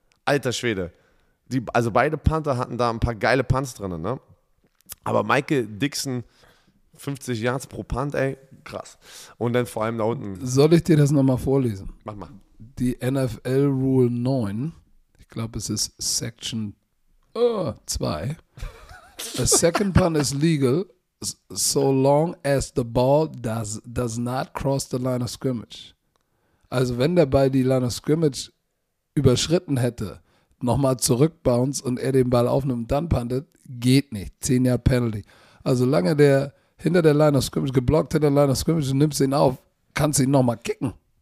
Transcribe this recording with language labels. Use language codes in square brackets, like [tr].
[de] Alter Schwede. Also beide Punter hatten da ein paar geile Punts drin. Ne? Aber Michael Dixon, 50 Yards pro Punt, ey, krass. Und dann vor allem da unten. Soll ich dir das nochmal vorlesen? Mach mal. Die NFL Rule 9. Ich glaube, es ist Section 2. [en] A second punt is legal so long as the ball does not cross the line of scrimmage. [de] Also wenn der Ball die Line of Scrimmage überschritten hätte, nochmal zurückbounce und er den Ball aufnimmt und dann puntet, geht nicht. 10 Yard Penalty. Also solange der hinter der Line of Scrimmage, geblockt hinter der Line of Scrimmage und nimmst ihn auf, kannst du ihn nochmal kicken.